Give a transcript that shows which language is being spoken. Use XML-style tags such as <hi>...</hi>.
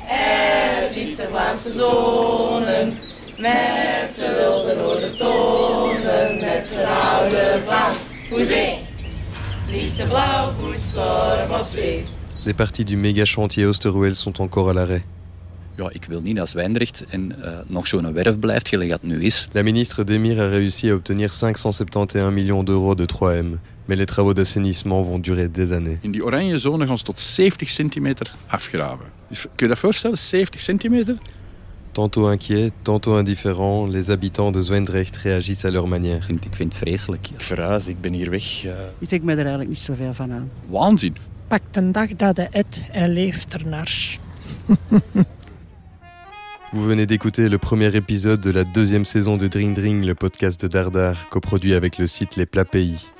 <fr>Des parties du méga chantier Oosterweel sont encore à l'arrêt.</fr> <nl>Ja, ik wil niet dat Zwijndrecht en nog zo'n werf blijft, gelijk dat nu is.</nl> <fr>La ministre Demir a réussi à obtenir 571 million d'euros de 3M. Mais les travaux d'assainissement vont durer des années.</fr> <nl>In die oranje zone gaan ze tot 70 centimeter afgraven. Kun je dat voorstellen, 70 centimeter?</nl> <fr>Tantôt inquiet, tantôt indifférent, les habitants de Zwijndrecht réagissent à leur manière.</fr> <nl>Ik vind het vreselijk. Ja. Ik verhuis, ik ben hier weg. Ik denk me er eigenlijk niet zoveel van aan. Waanzin. Pakt een dag dat hij het en leeft ernaar.</nl> <fr>Vous venez d'écouter le premier épisode de la deuxième saison de Dring Dring, le podcast de Dardar, coproduit avec le site Les Plats Pays.</fr>